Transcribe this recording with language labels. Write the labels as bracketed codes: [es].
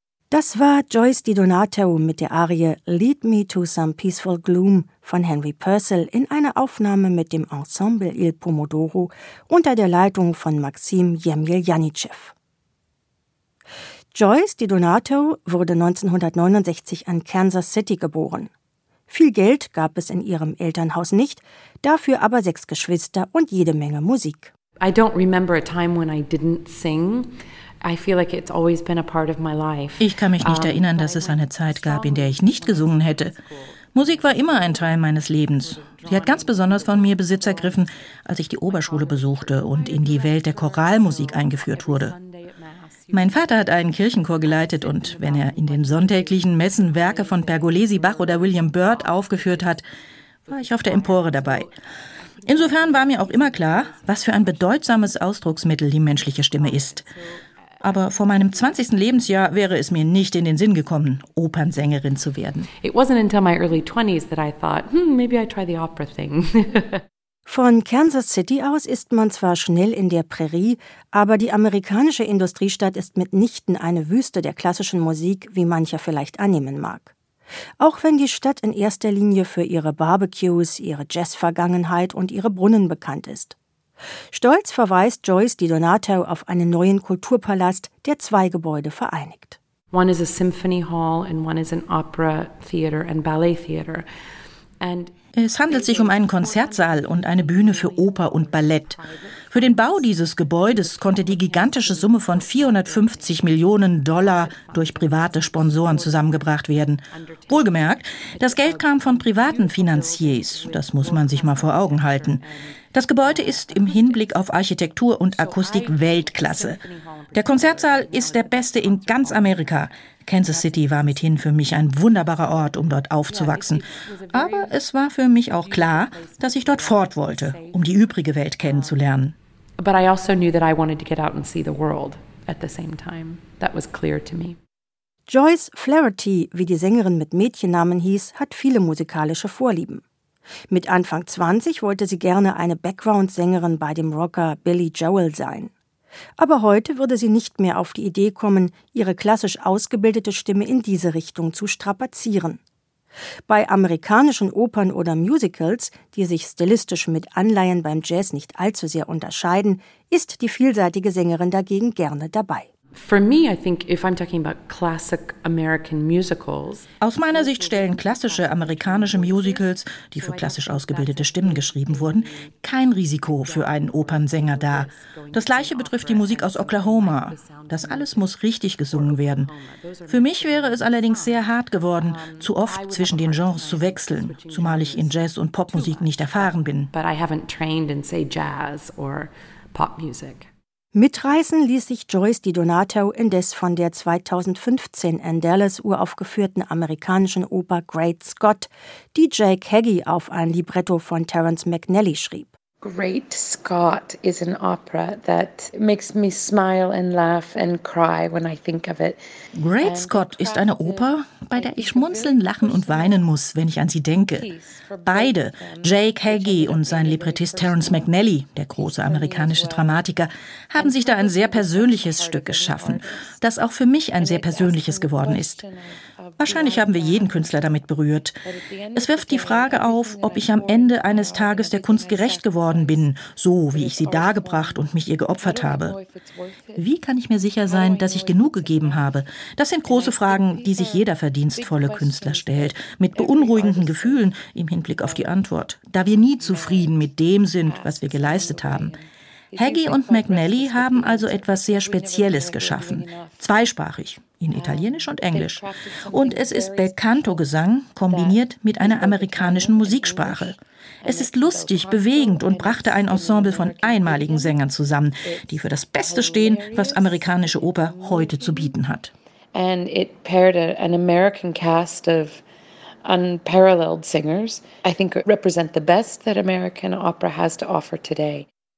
[de] Das war Joyce DiDonato mit der Arie Lead Me to Some Peaceful Gloom von Henry Purcell in einer Aufnahme mit dem Ensemble Il Pomodoro unter der Leitung von Maxim Jemeljanitschew. Joyce DiDonato wurde 1969 in Kansas City geboren. Viel Geld gab es in ihrem Elternhaus nicht, dafür aber 6 Geschwister und jede Menge Musik. [en] I don't remember a time when I didn't sing. I feel like it's always been a part of my life. [de] Ich kann mich nicht erinnern, dass es eine Zeit gab, in der ich nicht gesungen hätte. Musik war immer ein Teil meines Lebens. Sie hat ganz besonders von mir Besitz ergriffen, als ich die Oberschule besuchte und in die Welt der Choralmusik eingeführt wurde. Mein Vater hat einen Kirchenchor geleitet und wenn er in den sonntäglichen Messen Werke von Pergolesi, Bach oder William Byrd aufgeführt hat, war ich auf der Empore dabei. Insofern war mir auch immer klar, was für ein bedeutsames Ausdrucksmittel die menschliche Stimme ist. Aber vor meinem 20. Lebensjahr wäre es mir nicht in den Sinn gekommen, Opernsängerin zu werden. [en] It wasn't until my early 20s that I thought, maybe I try the opera thing. [de] Von Kansas City aus ist man zwar schnell in der Prärie, aber die amerikanische Industriestadt ist mitnichten eine Wüste der klassischen Musik, wie mancher vielleicht annehmen mag. Auch wenn die Stadt in erster Linie für ihre Barbecues, ihre Jazz-Vergangenheit und ihre Brunnen bekannt ist. Stolz verweist Joyce DiDonato auf einen neuen Kulturpalast, der 2 Gebäude vereinigt. [en] One is a symphony hall and one is an opera theater and ballet theater. [de] Es handelt sich um einen Konzertsaal und eine Bühne für Oper und Ballett. Für den Bau dieses Gebäudes konnte die gigantische Summe von 450 Millionen Dollar durch private Sponsoren zusammengebracht werden. Wohlgemerkt, das Geld kam von privaten Finanziers, das muss man sich mal vor Augen halten. Das Gebäude ist im Hinblick auf Architektur und Akustik Weltklasse. Der Konzertsaal ist der beste in ganz Amerika. Kansas City war mithin für mich ein wunderbarer Ort, um dort aufzuwachsen. Aber es war für mich auch klar, dass ich dort fort wollte, um die übrige Welt kennenzulernen. [en] But I also knew that I wanted to get out and see the world at the same time. That was clear to me. [de] Joyce Flaherty, wie die Sängerin mit Mädchennamen hieß, hat viele musikalische Vorlieben. Mit Anfang 20 wollte sie gerne eine Background-Sängerin bei dem Rocker Billy Joel sein. Aber heute würde sie nicht mehr auf die Idee kommen, ihre klassisch ausgebildete Stimme in diese Richtung zu strapazieren. Bei amerikanischen Opern oder Musicals, die sich stilistisch mit Anleihen beim Jazz nicht allzu sehr unterscheiden, ist die vielseitige Sängerin dagegen gerne dabei. [en] For me, I think if I'm talking about classic American musicals. [de] Aus meiner Sicht stellen klassische amerikanische Musicals, die für klassisch ausgebildete Stimmen geschrieben wurden, kein Risiko für einen Opernsänger dar. Das gleiche betrifft die Musik aus Oklahoma. Das alles muss richtig gesungen werden. Für mich wäre es allerdings sehr hart geworden, zu oft zwischen den Genres zu wechseln, zumal ich in Jazz und Popmusik nicht erfahren bin. [en] But I haven't trained in say Jazz or Pop Music. [de] Mitreißen ließ sich Joyce DiDonato indes von der 2015 in Dallas uraufgeführten amerikanischen Oper Great Scott, die Jake Heggie auf ein Libretto von Terence McNally schrieb. [en] Great Scott is an opera that makes me smile and laugh and cry when I think of it. [de] Great Scott ist eine Oper, bei der ich schmunzeln, lachen und weinen muss, wenn ich an sie denke. Beide, Jake Heggie und sein Librettist Terence McNally, der große amerikanische Dramatiker, haben sich da ein sehr persönliches Stück geschaffen, das auch für mich ein sehr persönliches geworden ist. Wahrscheinlich haben wir jeden Künstler damit berührt. Es wirft die Frage auf, ob ich am Ende eines Tages der Kunst gerecht geworden bin, so wie ich sie dargebracht und mich ihr geopfert habe. Wie kann ich mir sicher sein, dass ich genug gegeben habe? Das sind große Fragen, die sich jeder verdienstvolle Künstler stellt, mit beunruhigenden Gefühlen im Hinblick auf die Antwort, da wir nie zufrieden mit dem sind, was wir geleistet haben. Heggie und McNally haben also etwas sehr Spezielles geschaffen, zweisprachig, in Italienisch und Englisch. Und es ist Bel Canto-Gesang kombiniert mit einer amerikanischen Musiksprache. Es ist lustig, bewegend und brachte ein Ensemble von einmaligen Sängern zusammen, die für das Beste stehen, was amerikanische Oper heute zu bieten hat. [en] And it paired an American cast of unparalleled singers, I think represent the best that American opera has to offer today.